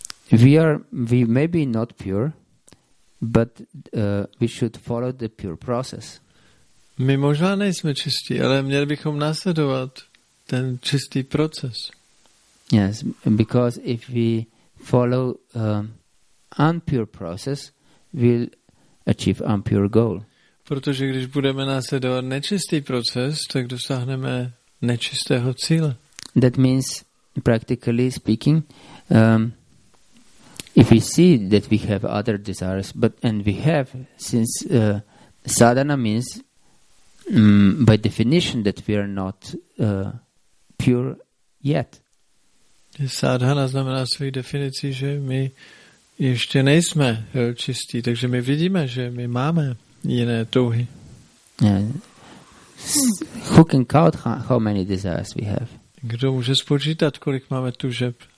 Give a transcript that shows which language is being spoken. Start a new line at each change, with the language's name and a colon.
English: In fact, we may be not pure, but we should follow the pure process.
Czech: My možná nejsme čistí, ale měli bychom následovat ten čistý proces.
English: Yes, because if we follow impure process, we'll achieve impure goal.
Czech: Protože když budeme následovat nečistý proces, tak dosáhneme nečistého cíle.
English: That means, practically speaking, if we see that we have other desires, since sadhana means, by definition, that we are not pure yet.
Czech: Sadhana znamená svojí definicí, že my ještě nejsme čistí, takže my vidíme, že my máme jiné touhy.
English: Yeah. Who can count how many desires we have?
Czech: Kdo může spočítat, kolik máme tužeb?